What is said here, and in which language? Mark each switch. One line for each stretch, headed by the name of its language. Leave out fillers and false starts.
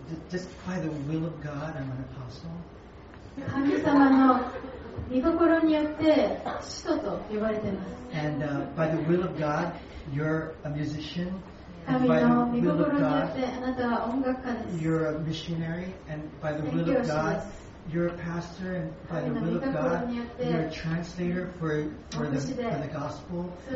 English: Just by the will of God, I'm an apostle.
Japanese: 神様の御心によって使徒と呼ばれてます。
English: And by the will of God, you're a musician.
Japanese: 神の御心によってあなたは音楽家です。
English: You're a missionary, and by the will of God, you're a pastor, and by the will of God, you're a translator for the gospel.